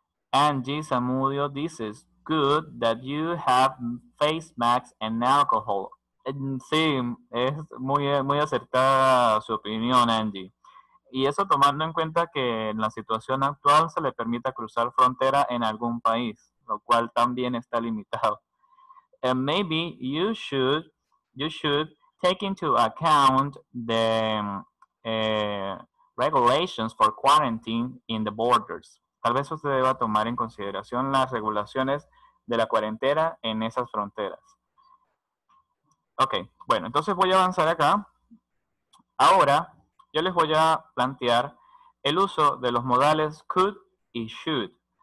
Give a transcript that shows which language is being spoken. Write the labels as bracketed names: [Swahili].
[English] Angie Zamudio dice, it's good that you have face masks and alcohol. [Spanish] Sí, es muy, muy acertada su opinión, Angie. Y eso tomando en cuenta que en la situación actual se le permita cruzar frontera en algún país, lo cual también está limitado. [English] And maybe you should take into account the regulations for quarantine in the borders. [Spanish] Tal vez usted deba tomar en consideración las regulaciones de la cuarentena en esas fronteras. Ok, bueno, entonces voy a avanzar acá. Ahora yo les voy a plantear el uso de los modales could y should.